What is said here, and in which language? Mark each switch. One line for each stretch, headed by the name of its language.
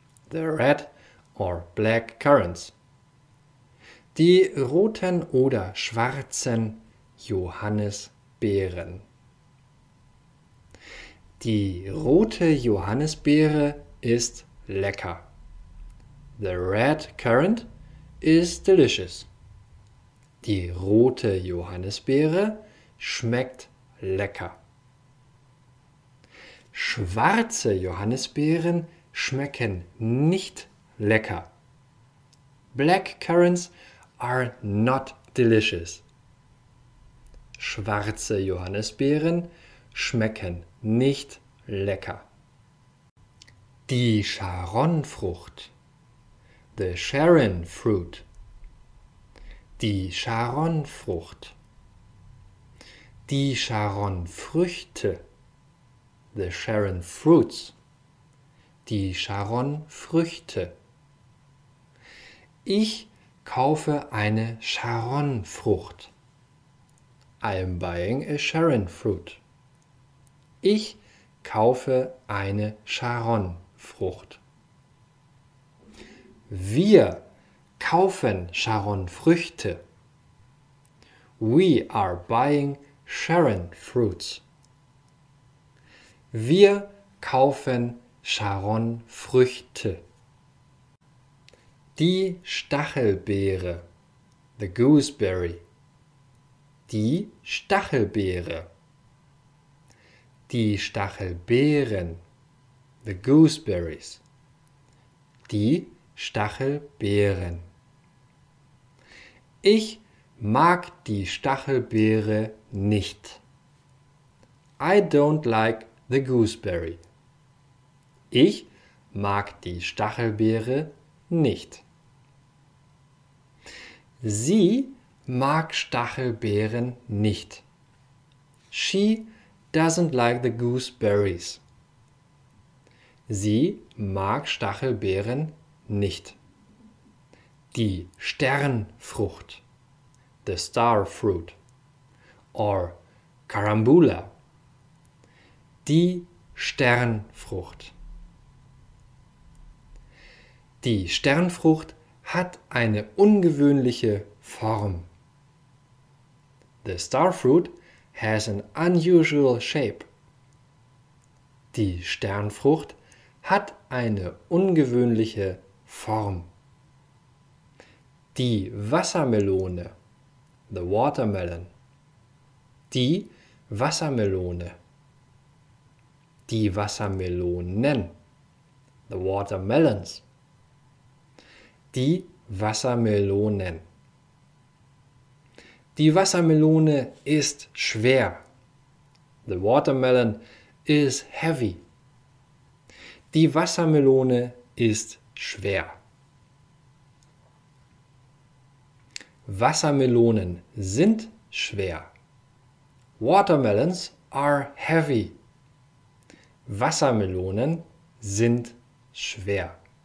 English: The red or black currants.
German: Die roten oder schwarzen Johannisbeeren. Die rote Johannisbeere ist lecker.
English: The red currant is delicious.
German: Die rote Johannisbeere schmeckt lecker. Schwarze Johannisbeeren schmecken nicht lecker.
English: Black currants are not delicious.
German: Schwarze Johannisbeeren schmecken nicht lecker. Die Sharonfrucht.
English: The Sharon fruit.
German: Die Sharonfrucht. Die Sharonfrüchte.
English: The Sharon fruits.
German: Die Sharonfrüchte. Ich kaufe eine Sharonfrucht.
English: I'm buying a Sharon fruit.
German: Ich kaufe eine Sharonfrucht. Wir kaufen Sharonfrüchte.
English: We are buying Sharon fruits.
German: Wir kaufen Sharonfrüchte. Die Stachelbeere.
English: The gooseberry.
German: Die Stachelbeere. Die Stachelbeeren.
English: The gooseberries.
German: Die Stachelbeeren. Ich mag die Stachelbeere nicht.
English: I don't like the gooseberry.
German: Ich mag die Stachelbeere nicht. Sie mag Stachelbeeren nicht.
English: She doesn't like the gooseberries.
German: Sie mag Stachelbeeren nicht. Die Sternfrucht.
English: The star fruit. Or Carambula.
German: Die Sternfrucht. Die Sternfrucht hat eine ungewöhnliche Form.
English: The star fruit has an unusual shape.
German: Die Sternfrucht hat eine ungewöhnliche Form. Die Wassermelone.
English: The watermelon.
German: Die Wassermelone. Die Wassermelonen.
English: The watermelons.
German: Die Wassermelonen. Die Wassermelone ist schwer.
English: The watermelon is heavy.
German: Die Wassermelone ist schwer. Wassermelonen sind schwer.
English: Watermelons are heavy.
German: Wassermelonen sind schwer.